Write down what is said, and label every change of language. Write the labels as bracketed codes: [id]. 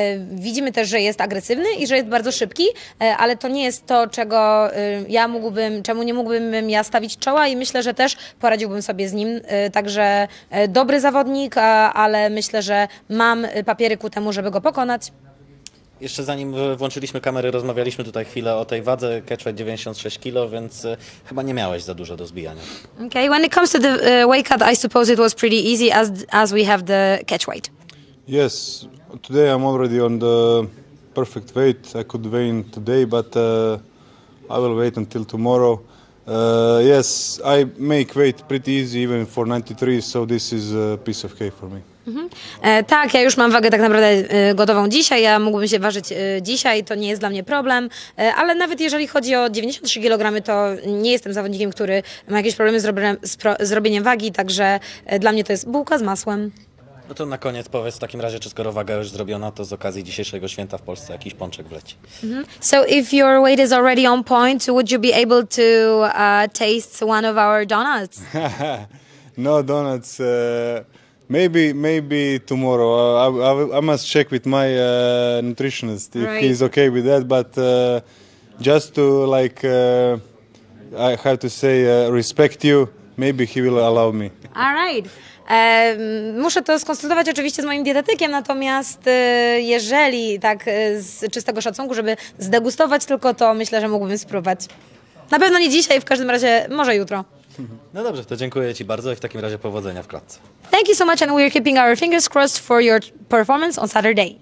[pl] Widzimy też, że jest agresywny i że jest bardzo szybki, ale to nie jest to, czego ja mógłbym, czemu nie mógłbym ja stawić czoła, i myślę, że też poradziłbym sobie z nim. Także dobry zawodnik, ale myślę, że mam papiery ku temu, żeby go pokonać. Jeszcze zanim włączyliśmy kamery, rozmawialiśmy tutaj chwilę o tej wadze, catchweight 96 kilo, więc chyba nie miałeś za dużo do zbijania. [en] Okay, when it comes to the weight cut, I suppose it was pretty easy as we have the catchweight. Yes, today I'm already on the perfect weight. I could weigh in today, but I will wait until tomorrow. Yes, I make weight pretty easy even for 93, so this is a piece of cake for me. [pl] Tak, ja już mam wagę tak naprawdę gotową dzisiaj, ja mógłbym się ważyć dzisiaj, to nie jest dla mnie problem, ale nawet jeżeli chodzi o 93 kg, to nie jestem zawodnikiem, który ma jakieś problemy z robieniem wagi, także dla mnie to jest bułka z masłem. No to na koniec powiedz w takim razie, czy skoro waga już zrobiona, to z okazji dzisiejszego święta w Polsce jakiś pączek wleci. Mm-hmm. [en] So if your weight is already on point, would you be able to taste one of our donuts? No donuts... Maybe tomorrow. I must check with my nutritionist if right. He's okay with that. But just to like I have to say respect you. Maybe he will allow me. All right. [pl] Muszę to skonsultować oczywiście z moim dietetykiem, natomiast jeżeli tak z czystego szacunku, żeby zdegustować tylko to, myślę, że mógłbym spróbować. Na pewno nie dzisiaj, w każdym razie może jutro. No dobrze, to dziękuję Ci bardzo i w takim razie powodzenia w klatce. [en] Thank you so much and we are keeping our fingers crossed for your performance on Saturday.